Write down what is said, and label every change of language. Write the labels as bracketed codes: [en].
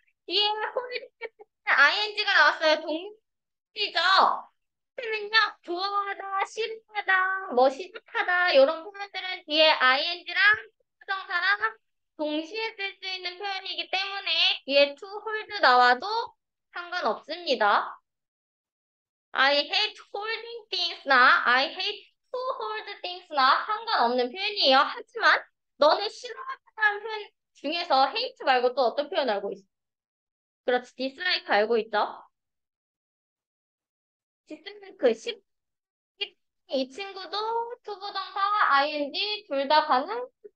[ko] 뒤에 ing가 나왔어요. 동명이죠. 는요 좋아하다, 싫어하다, 뭐 시작하다 이런 표현들은 뒤에 ing랑 부정사랑 동시에 쓸수 있는 표현이기 때문에 뒤에 [en] to hold [ko] 나와도 상관없습니다. [en] I hate holding things나 I hate to hold things나 [ko] 상관없는 표현이에요. 하지만 너는 싫어하다는 표현 중에서 hate 말고 또 어떤 표현 알고 있어? 그렇지, dislike 알고 있죠? 디스크 10. 이 친구도 투부정사 ing 둘다 가능.